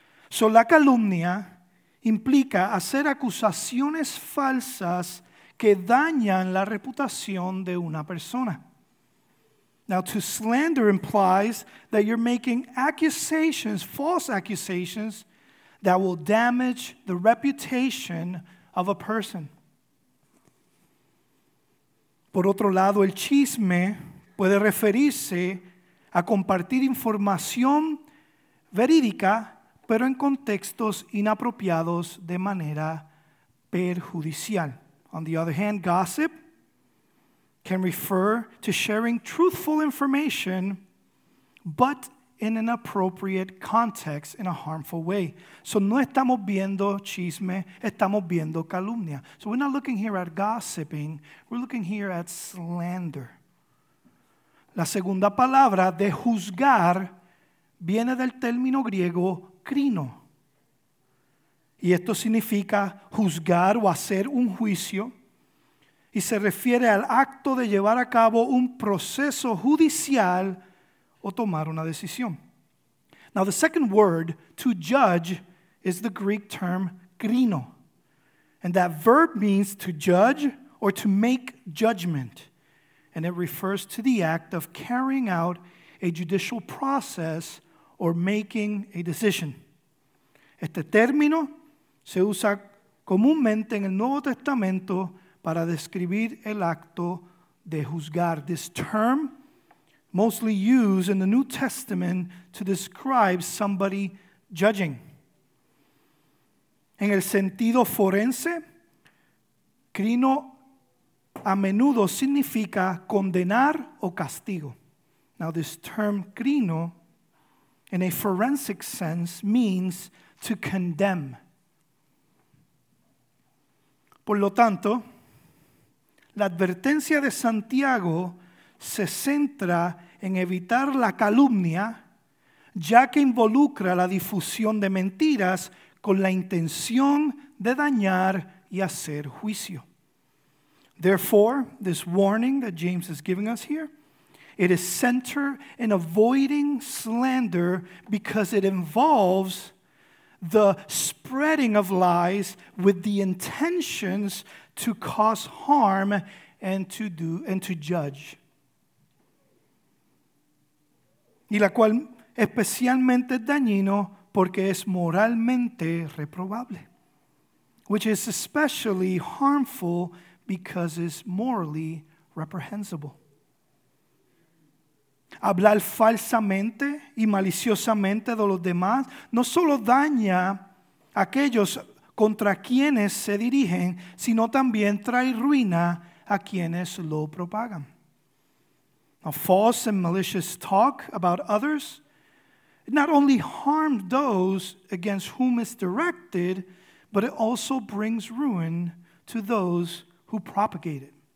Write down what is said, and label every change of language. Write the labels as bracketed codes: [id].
[es] So la calumnia implica hacer acusaciones falsas que dañan la reputación de una persona. [en] Now to slander implies that you're making accusations, false accusations, that will damage the reputation of a person. [es] Por otro lado, el chisme puede referirse a compartir información verídica, pero en contextos inapropiados de manera perjudicial. [en] On the other hand, gossip can refer to sharing truthful information, but in an appropriate context, in a harmful way. [es] So no estamos viendo chisme, estamos viendo calumnia. [en] So we're not looking here at gossiping, we're looking here at slander. [es] La segunda palabra de juzgar viene del término griego crino. Y esto significa juzgar o hacer un juicio. Y se refiere al acto de llevar a cabo un proceso judicial o tomar una decisión. [en] Now the second word to judge is the Greek term krino. And that verb means to judge or to make judgment. And it refers to the act of carrying out a judicial process or making a decision. [es] Este término se usa comúnmente en el Nuevo Testamento para describir el acto de juzgar. [en] This term mostly used in the New Testament to describe somebody judging. [es] En el sentido forense, crino a menudo significa condenar o castigo. [en] Now this term crino, in a forensic sense, means to condemn. [es] Por lo tanto, la advertencia de Santiago se centra en evitar la calumnia, ya que involucra la difusión de mentiras con la intención de dañar y hacer juicio. [en] Therefore, this warning that James is giving us here, it is centered in avoiding slander because it involves the spreading of lies with the intentions to cause harm and to judge. [es] Y la cual especialmente dañino porque es moralmente reprobable. [en] Which is especially harmful because it's morally reprehensible. [es] Hablar falsamente y maliciosamente de los demás no solo daña a aquellos contra quienes se dirigen, sino también trae ruina a quienes lo propagan. [en] A false and malicious talk about others not only harms those against whom it's directed, but it also brings ruin to those who propagate it.